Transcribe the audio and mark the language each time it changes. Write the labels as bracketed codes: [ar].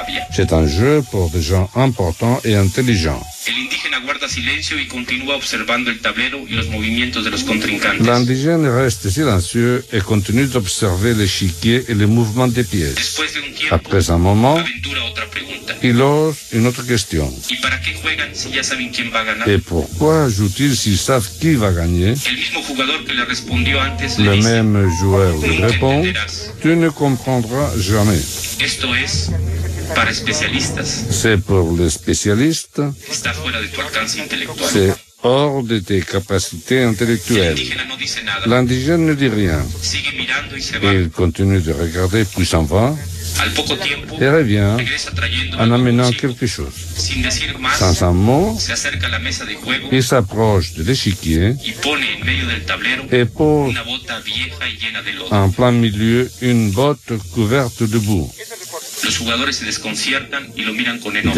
[fr] C'est un jeu pour des gens importants et intelligents. [es] El indígena guarda silencio y continúa observando el tablero y los movimientos de los contrincantes. [fr] L'indigène reste silencieux et continue d'observer l'échiquier et les mouvements des pièces. [es] Después de un tiempo, [fr] après un moment, [es] aventura otra pregunta. [fr] Y lors, une autre question. [es] ¿Y para qué juegan si ya saben quién va a ganar? [fr] Et pourquoi jouent-ils s'ils savent qui va gagner? [es] El mismo jugador que le respondió antes le dice, [fr] même joueur lui répond, tu ne comprendras jamais. [es] Esto es para especialistas. [fr] C'est pour les spécialistes. [es] Está fuera de tu alcance intelectual. [fr] C'est hors de tes capacités intellectuelles. [es] L'indigène no dice nada. [fr] L'indigène ne dit rien. [es] Sigue mirando y se va. [fr] Il continue de regarder puis s'en va. [es] Al poco tiempo, [fr] et revient en amenant quelque chose. [es] Sin decir más, [fr] sans un mot, [es] se acerca a la mesa de juego, [fr] il s'approche de l'échiquier [es] y pone en medio del tablero [fr] et pose [es] una bota vieja y llena de lodo. [fr] En plein milieu une botte couverte de boue. [es] Los jugadores se desconciertan y lo miran con enojo.